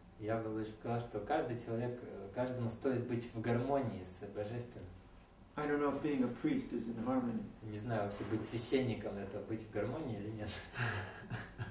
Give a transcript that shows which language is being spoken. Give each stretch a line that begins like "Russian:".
Russian: Я бы лучше сказал, что каждый человек, каждому стоит быть в гармонии с Божественным.
English: I don't know if being a priest is in harmony.
Russian: Не знаю, вообще быть священником, это быть в гармонии или нет.